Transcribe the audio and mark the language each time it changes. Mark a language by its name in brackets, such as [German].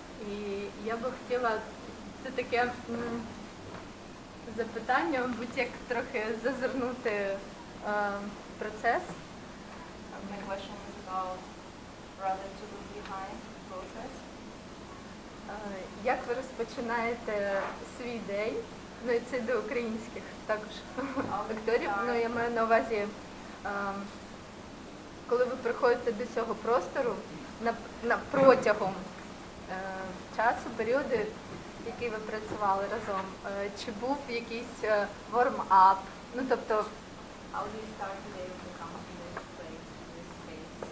[Ukrainian] І я би хотіла, це таке запитання, мабуть, як трохи зазирнути процес. [English] My question is about rather to look behind the process. [Ukrainian] Як ви розпочинаєте свій день? Ну і це до українських також акторів. Ну я маю на увазі, коли ви приходите до цього простору протягом часу, періоду, який ви працювали разом, чи був якийсь warm-up? Ну тобто. [English] How do you start the day when you come up in this place, in this space?